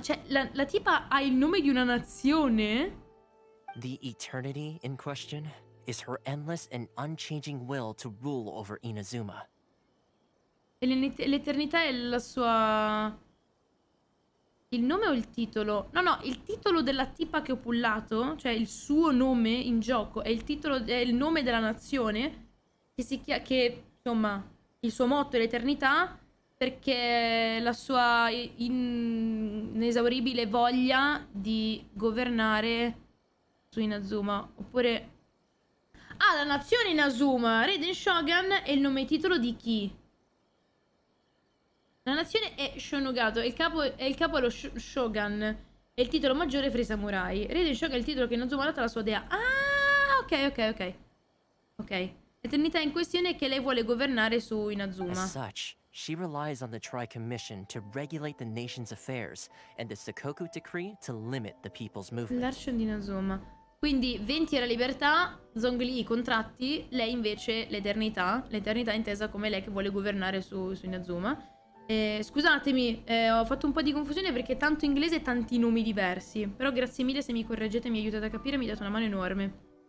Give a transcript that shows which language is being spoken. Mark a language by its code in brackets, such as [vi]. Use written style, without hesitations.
[it] Cioè, la tipa ha il nome di una nazione? [en] The eternity in question is her endless and unchanging will to rule over Inazuma. [it] E l'eternità è la sua... Il nome o il titolo? No, no, il titolo della tipa che ho pullato, cioè il suo nome in gioco, è il titolo, è il nome della nazione, che si chiama, che, insomma, il suo motto è l'eternità, perché la sua inesauribile voglia di governare su Inazuma, oppure... Ah, la nazione Inazuma, Raiden Shogun è il nome e titolo di chi? La nazione è Shonugato, il capo è lo Shogun, e il titolo maggiore fra i samurai. Raiden Shogun è il titolo che Inazuma ha dato alla sua dea. Ah, ok, ok, ok. Ok. L'eternità in questione è che lei vuole governare su Inazuma. [en] As such, she relies on the Tri-Commission to regulate the nation's affairs, and the Sokoku Decree to limit the people's movement. [it] L'arcio di Inazuma. Quindi, 20 era libertà, Zhongli i contratti, lei invece l'eternità. L'eternità intesa come lei che vuole governare su Inazuma. Scusatemi, ho fatto un po' di confusione perché tanto inglese e tanti nomi diversi. Però grazie mille se mi correggete, mi aiutate a capire, mi date una mano enorme.